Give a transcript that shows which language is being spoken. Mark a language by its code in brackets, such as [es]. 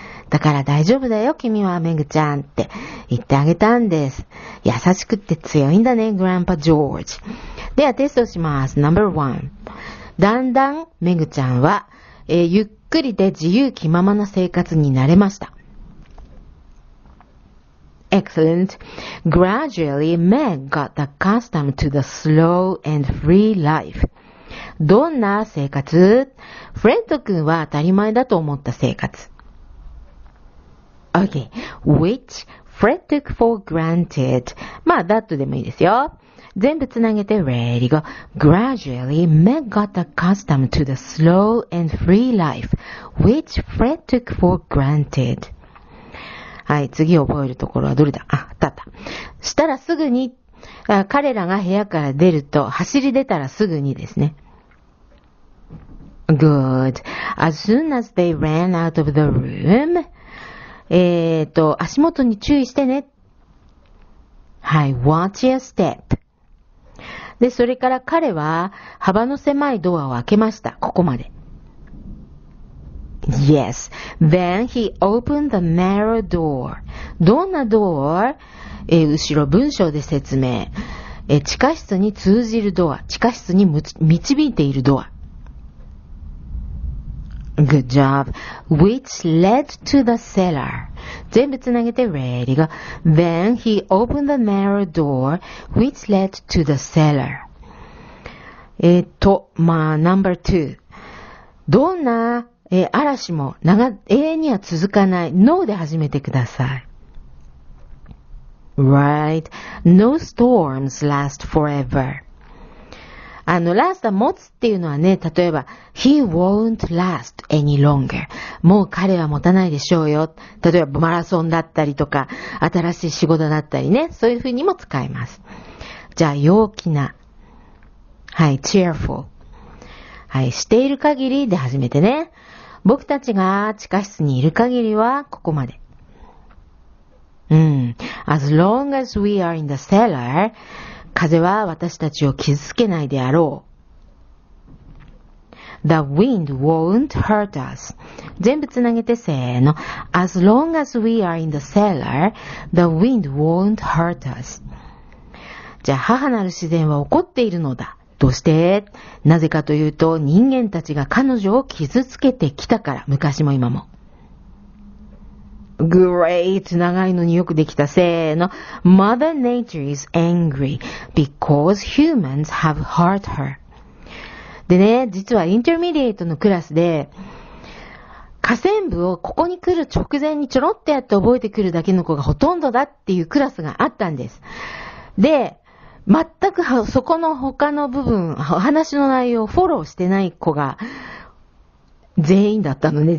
[ja] だから大丈夫だよ、君は Meg ちゃんって言ってあげたんです。優しくって強いんだね、グランパジョージ。ではテストします。Number one。だんだん Meg ちゃんは、ゆっくりで自由気ままな生活に慣れました。 [en] Excellent. Gradually, Meg got accustomed to the slow and free life. [ja] どんな生活？フレッド君は当たり前だと思った生活。 [en] Okay. Which Fred took for granted. [ja] まあ、that でもいいですよ。全部つなげて [en] Ready go. Gradually, Meg got accustomed to the slow and free life, which Fred took for granted. [ja] はい、次覚えるところはどれだ？あ、たった。したらすぐに、彼らが部屋から出ると、走り出たらすぐにですね。 [en] Good. As soon as they ran out of the room, [ja] 足元に注意してね。 [en] はい、watch your step. [ja] で、それから彼は幅の狭いドアを開けました。ここまで。 [en] Yes. Then he opened the narrow door. [ja] どんなドア？後ろ文章で説明。地下室に通じるドア。地下室に導いているドア。 [en] Good job. Which led to the cellar. [ja] 全部つなげて [en] ready go. Then he opened the narrow door, which led to the cellar. Number two. [ja] どんな、嵐も永遠には続かない。 No で始めてください。 [en] Right. No storms last forever. [ja] ラスト持つっていうのはね、例えば、 [en] he won't last any longer. [ja] もう彼は持たないでしょうよ。例えば、マラソンだったりとか、新しい仕事だったりね、そういうふうにも使います。じゃあ、陽気な。はい、cheerful。はい、している限りで始めてね。僕たちが地下室にいる限りは、ここまで。 [en] As long as we are in the cellar, [ja] 風は私たちを傷つけないであろう。 [en] The wind won't hurt us. [ja] 全部つなげてせーの。 [en] As long as we are in the cellar, the wind won't hurt us. [ja] じゃあ、母なる自然は怒っているのだ。どうして？なぜかというと、人間たちが彼女を傷つけてきたから、昔も今も。 [en] Great! [ja] 長いのによくできた。せーの。 [en] Mother Nature is angry because humans have hurt her. [ja] でね、実はインターミディエイトのクラスで、下線部をここに来る直前にちょろっとやって覚えてくるだけの子がほとんどだっていうクラスがあったんです。で、全くそこの他の部分、お話の内容をフォローしてない子が、全員だったのね。